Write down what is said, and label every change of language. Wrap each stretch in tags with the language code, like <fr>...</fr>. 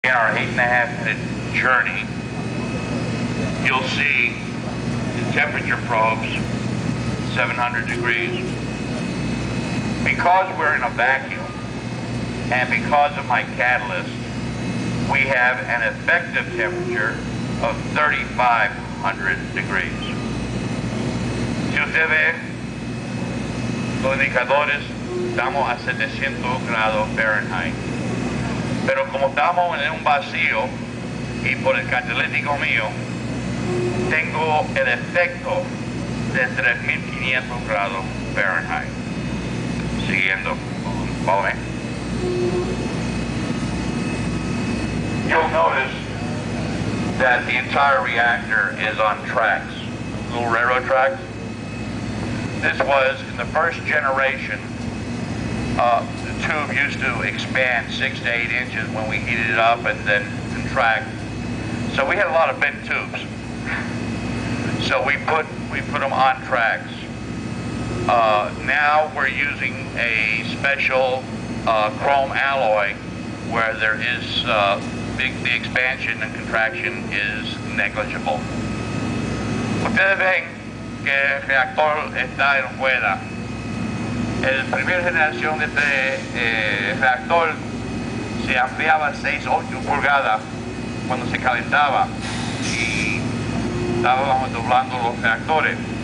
<en>hour, 8.5 minute journey, you'll see the temperature probes, 700 degrees. Because we're in a vacuum, and because of my catalyst, we have an effective temperature of 3,500 degrees.</en> <es>Si usted ve los indicadores, estamos a 700 grados Fahrenheit. Pero como estamos en un vacío, y por el catalítico mío, tengo el efecto de 3,500 grados Fahrenheit. Siguiendo.</es> <en>Follow me. You'll notice that the entire reactor is on tracks, little railroad tracks. This was in the first generation, the tube used to expand 6 to 8 inches when we heated it up and then contract. So we had a lot of bent tubes. So we put them on tracks. Now we're using a special chrome alloy where there is the expansion and contraction is negligible.</en> <es>Ustedes ven que el reactor está en rueda. El primer generación de este reactor se ampliaba 6.8 pulgadas cuando se calentaba y estábamos doblando los reactores.</es>